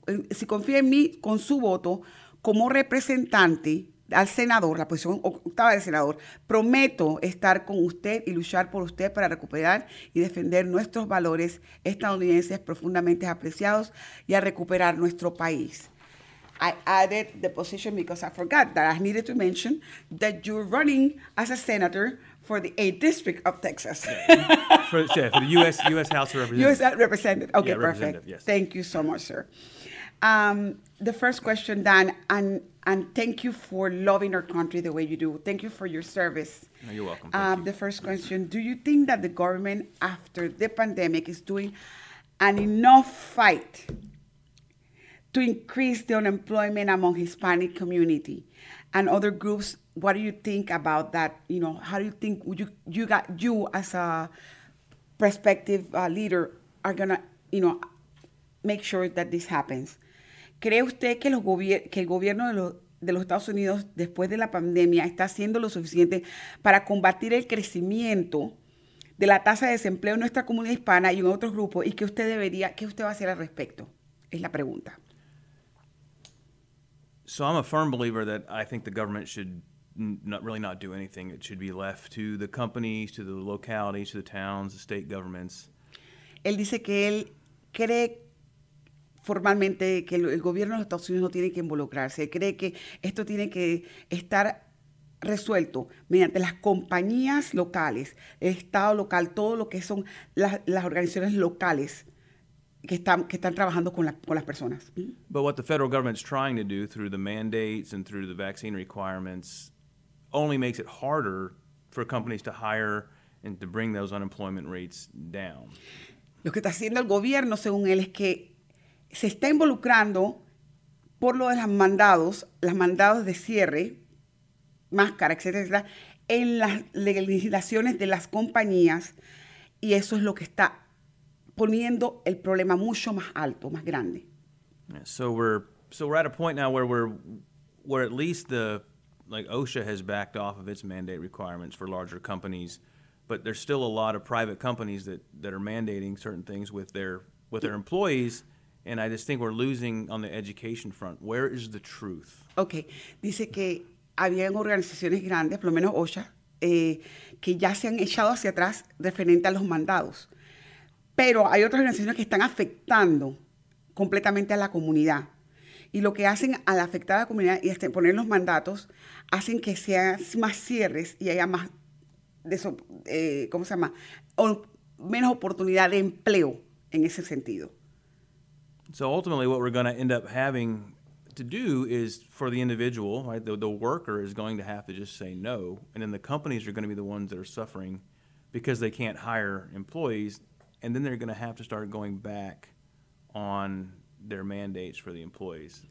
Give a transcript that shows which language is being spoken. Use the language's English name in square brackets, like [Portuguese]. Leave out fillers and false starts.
[Spanish] Si confía en mí con su voto como representante al senador, la posición octava del senador, prometo estar con usted y luchar por usted para recuperar y defender nuestros valores estadounidenses profundamente apreciados y a recuperar nuestro país. [English] I added the position because I forgot that I needed to mention that you're running as a senator for the 8th District of Texas. for the U.S. House of Representatives. U.S. Representative. Okay, yeah, perfect. Representative, yes. Thank you so much, sir. The first question, Dan, and thank you for loving our country the way you do. Thank you for your service. No, you're welcome. Thank you. The first question, do you think that the government after the pandemic is doing an enough fight to increase the unemployment among Hispanic community and other groups? What do you think about that? You know, how do you think you as a prospective leader are gonna, you know, make sure that this happens? [Spanish] ¿Cree usted que el gobierno de los Estados Unidos después de la pandemia está haciendo lo suficiente para combatir el crecimiento de la tasa de desempleo en nuestra comunidad hispana y en otros grupos? ¿Y qué usted va a hacer al respecto? Es la pregunta. [English] So I'm a firm believer that I think the government should not do anything. It should be left to the companies, to the localities, to the towns, the state governments. [Spanish] Él dice que él cree formalmente que el gobierno de los Estados Unidos no tiene que involucrarse. Cree que esto tiene que estar resuelto mediante las compañías locales, el estado local, todo lo que son las organizaciones locales. Que están trabajando con las personas. [English] But what the federal government's trying to do through the mandates and through the vaccine requirements only makes it harder for companies to hire and to bring those unemployment rates down. [Spanish] Lo que está haciendo el gobierno, según él, es que se está involucrando por lo de las mandados de cierre, máscara, etcétera, en las legislaciones de las compañías, y eso es lo que está poniendo el problema mucho más alto, más grande. [English] So we're at a point now where at least the OSHA has backed off of its mandate requirements for larger companies, but there's still a lot of private companies that are mandating certain things with their employees, and I just think we're losing on the education front. Where is the truth? [Spanish] Okay, dice que habían organizaciones grandes, por lo menos OSHA, que ya se han echado hacia atrás referente a los mandados, pero hay otras organizaciones que están afectando completamente a la comunidad. Y lo que hacen a la afectada comunidad y poner los mandatos hacen que sean más cierres y haya más, menos oportunidad de empleo en ese sentido. [English] So ultimately what we're going to end up having to do is for the individual, right, the worker is going to have to just say no, and then the companies are going to be the ones that are suffering because they can't hire employees, and then they're going to have to start going back on their mandates for the employees.